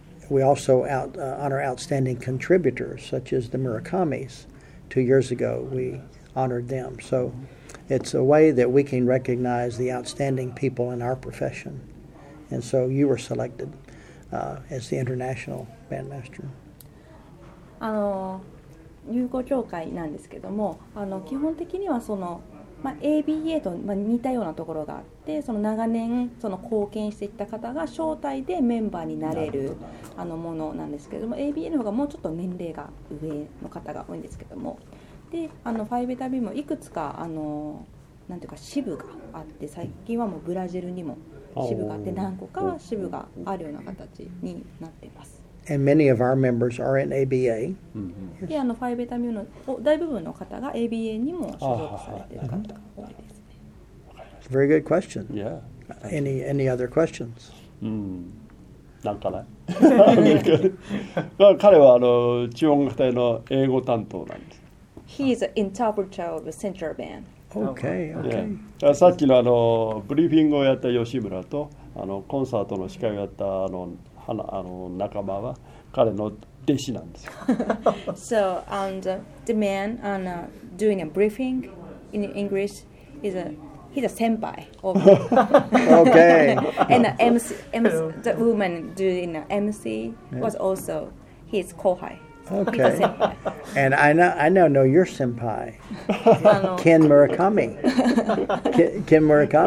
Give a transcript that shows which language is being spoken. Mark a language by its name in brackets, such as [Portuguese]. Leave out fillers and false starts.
[English] We also honor outstanding contributors, such as the Murakamis. 2 years ago, we honored them. So it's a way that we can recognize the outstanding people in our profession. And so you were selected as the international bandmaster. [Japanese] 入校協会なんですけども、基本的にはその、ABA と似たようなところがあって、その長年その貢献してきた方が招待でメンバーになれるあのものなんですけども、ABA の方がもうちょっと年齢が上の方が多いんですけども、で、ファイベタビもいくつかなんていうか支部があって、最近はもうブラジルにも支部があって、何個か支部があるような形になっています。 [English] And many of our members are in ABA. [Japanese] で、ファイベタミューの大部分の方が ABA にも所属されている方が多いですね。 [English] Very good question. Yeah. Any other questions? [Japanese] なんかない。彼は中音楽隊の英語担当なんです。 [English] He is an interpreter of the central band. Okay, okay. [Japanese] さっきのブリーフィングをやった吉村と、コンサートの司会をやった仲間は彼の弟子なんですよ。 [English] So, and the man on doing a briefing in English is he's a senpai. Okay. And MC, the woman doing MC was also his kohai. Okay. And I now know your senpai, Ken Murakami. Ken Murakami.